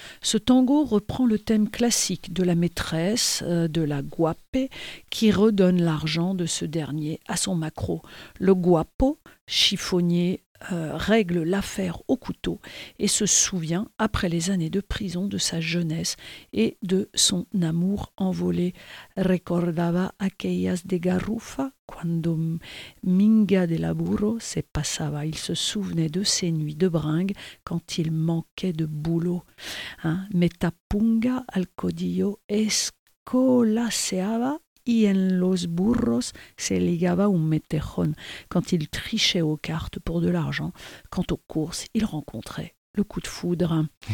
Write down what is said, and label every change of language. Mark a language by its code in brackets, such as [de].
[fr] Ce tango reprend le thème classique de la maîtresse, de la guape, qui redonne l'argent de ce dernier à son maquereau. Le guapo, chiffonnier, règle l'affaire au couteau et se souvient, après les années de prison, de sa jeunesse et de son amour envolé. [es] Recordaba aquellas de garrufa cuando minga de laburo se pasaba. [fr] Il se souvenait de ses nuits de bringue quand il manquait de boulot. [es] Metapunga al codillo escolaseaba. Y en los burros se ligaba un metejón. [fr] Quand il trichait aux cartes pour de l'argent, quant aux courses, il rencontrait le coup de foudre.